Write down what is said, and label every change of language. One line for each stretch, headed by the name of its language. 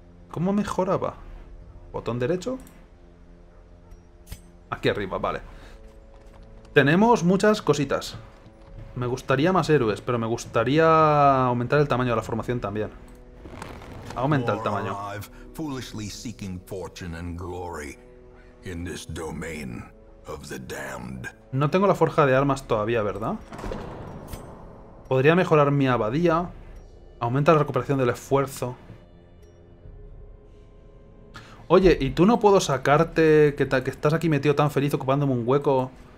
Spanish: ¿Cómo mejoraba? ¿Botón derecho? Aquí arriba, vale. Tenemos muchas cositas. Me gustaría más héroes, pero me gustaría aumentar el tamaño de la formación también. Aumenta el tamaño.
English: Foolishly seeking fortune and glory in this domain of the damned.
Spanish: No tengo la forja de armas todavía, ¿verdad? Podría mejorar mi abadía. Aumenta la recuperación del esfuerzo. Oye, ¿y tú no puedo sacarte que estás aquí metido tan feliz ocupándome un hueco?